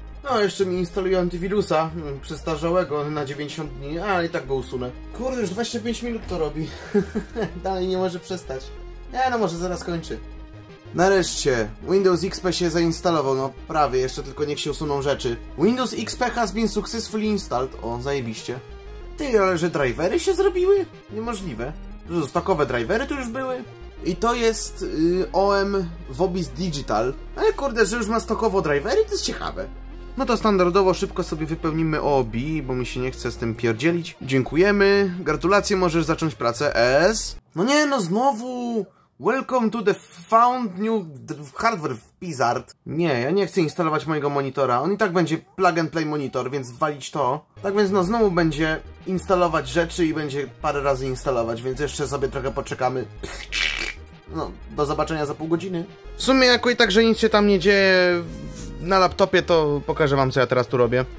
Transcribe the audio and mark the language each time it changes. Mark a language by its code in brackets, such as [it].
[pl] No, jeszcze mi instaluję antywirusa, przestarzałego na 90 dni, ale i tak go usunę. Kurde, już 25 minut to robi. Dalej nie może przestać. No może zaraz kończy. Nareszcie, Windows XP się zainstalował, no prawie, jeszcze tylko niech się usuną rzeczy. [en] Windows XP has been successfully installed. [pl] O, zajebiście. Ty, ale że drivery się zrobiły? Niemożliwe. Stokowe drivery tu już były? I to jest OM Vobis Digital. Ale kurde, że już ma stokowo drivery, to jest ciekawe. No to standardowo szybko sobie wypełnimy OBI, bo mi się nie chce z tym pierdzielić. Dziękujemy, gratulacje, możesz zacząć pracę, S. No nie, no znowu! [en] Welcome to the found new hardware wizard. [pl] Nie, ja nie chcę instalować mojego monitora, on i tak będzie plug and play monitor, więc walić to. Tak więc no znowu będzie instalować rzeczy i będzie parę razy instalować, więc jeszcze sobie trochę poczekamy. No, do zobaczenia za pół godziny. W sumie jako i tak, że nic się tam nie dzieje na laptopie, to pokażę wam, co ja teraz tu robię.